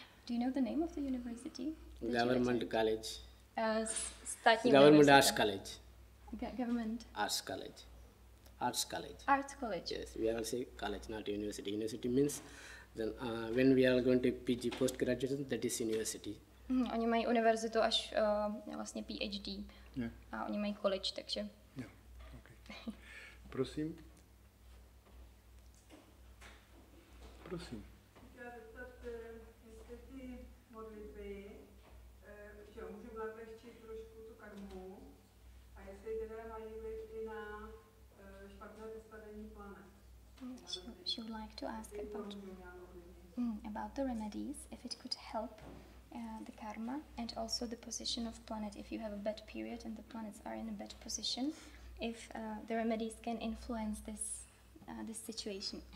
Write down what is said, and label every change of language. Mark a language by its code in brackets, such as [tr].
[en] Do you know the name of the university? Government College. State Government University. Arts College. Government. Arts College. Arts College. Arts College. Yes, we are say college, not university. University means then when we are going to PG post graduation, that is university. [cs] Oni mají univerzitu až vlastně PhD yeah. a oni mají college, takže. [en] Yeah. Okay. Prosím. [cs] Prosím. Chtěla zeptat, jestli ty modlitby, že můžu vlepřit trošku tu karmu, a jestli teda mají vliv i na špatné vyspadení planet. [en] She would like to ask about the remedies, if it could help. The karma and also the position of planet. If you have a bad period and the planets are in a bad position, if the remedies can influence this this situation.